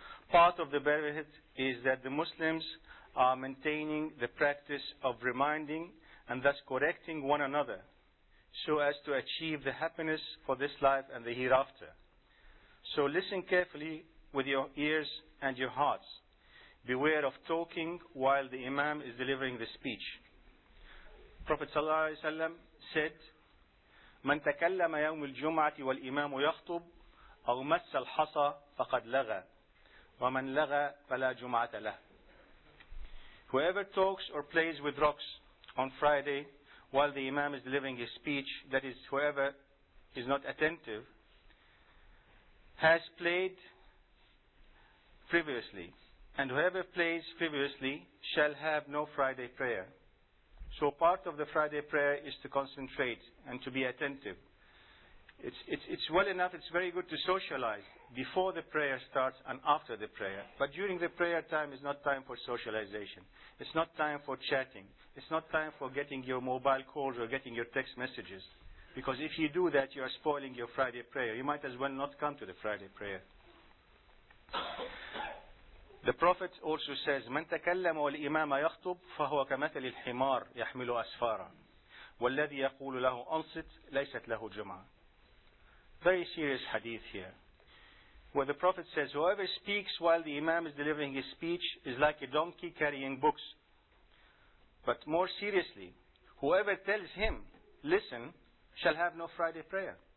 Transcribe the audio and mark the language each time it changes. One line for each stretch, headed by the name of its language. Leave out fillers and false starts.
English: Part of the benefit is that the Muslims are maintaining the practice of reminding and thus correcting one another so as to achieve the happiness for this life and the hereafter. So listen carefully with your ears and your hearts. Beware of talking while the imam is delivering the speech. Prophet sallallahu alayhi wa sallam said,
Arabic: من تكلم يوم الجمعة والإمام يخطب أو مس الحصى فقد لغى ومن لغى فلا جمعة له.
English: Whoever talks or plays with rocks on Friday while the imam is delivering his speech, that is, whoever is not attentive, has played frivolously, and whoever plays frivolously shall have no Friday prayer. So part of the Friday prayer is to concentrate and to be attentive. It's well enough, it's very good to socialize before the prayer starts and after the prayer. But during the prayer time is not time for socialization. It's not time for chatting. It's not time for getting your mobile calls or getting your text messages. Because if you do that, you are spoiling your Friday prayer. You might as well not come to the Friday prayer. The Prophet also says,
Arabic: من تكلم والإمام يخطب فهو كمثل الحمار يحمل أسفارا والذي يقول له أنصت ليست له جمعة.
English: Very serious hadith here, where the Prophet says, whoever speaks while the Imam is delivering his speech is like a donkey carrying books. But more seriously, whoever tells him, listen, shall have no Friday prayer.